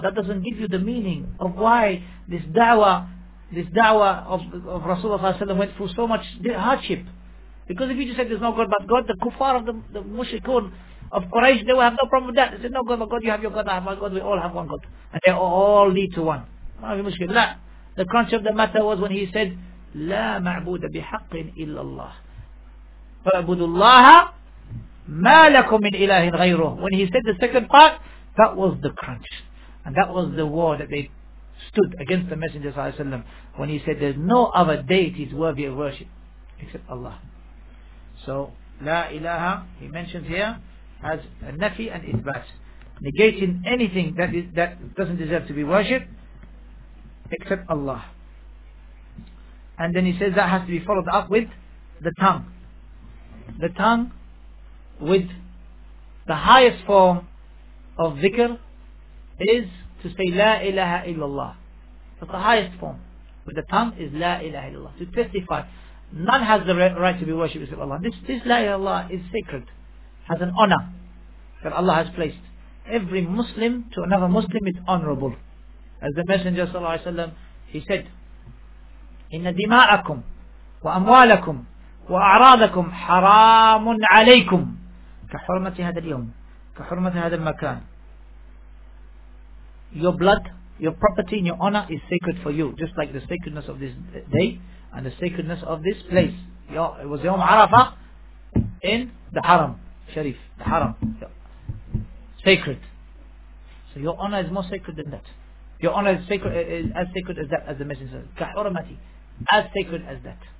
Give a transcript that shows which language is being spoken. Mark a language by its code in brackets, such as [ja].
[en] That doesn't give you the meaning of why this da'wah of Rasulullah ﷺ went through so much hardship. Because if you just said there's no God but God, the kuffar of the mushrikun of Quraysh, they will have no problem with that. They say, no God but God, you have your God, I have my God, we all have one God. And they all lead to one. The crunch of the matter was when he said, [ar] لا معبود بحق إلا الله فأعبدوا الله ما لكم من إله غيره. [en] When he said the second part, that was the crunch, and that was the war that they stood against the Messenger صلى الله عليه وسلم, when he said there's no other deities worthy of worship except Allah. So لا إله, he mentions here, has a nafi and isbat, negating anything that doesn't deserve to be worshipped except Allah. And then he says that has to be followed up with the tongue. The tongue with the highest form of dhikr is to say La ilaha illallah. That's the highest form. With the tongue is La ilaha illallah. To testify. None has the right to be worshipped except Allah. This La ilaha illallah is sacred. Has an honor that Allah has placed. Every Muslim to another Muslim is honorable. As the Messenger sallallahu alayhi wa sallam, he said, [ar] إن دماءكم وأموالكم وأعراضكم حرام عليكم كحرمة هذا اليوم كحرمة هذا المكان. [en] Your blood, your property and your honor is sacred for you, just like the sacredness of this day and the sacredness of this place. It was يوم عرفة in the Haram Sharif, the Haram sacred. So your honor is more sacred than that. Your honor is sacred, is as sacred as that, as the Messenger كحرمتي, as sacred as that.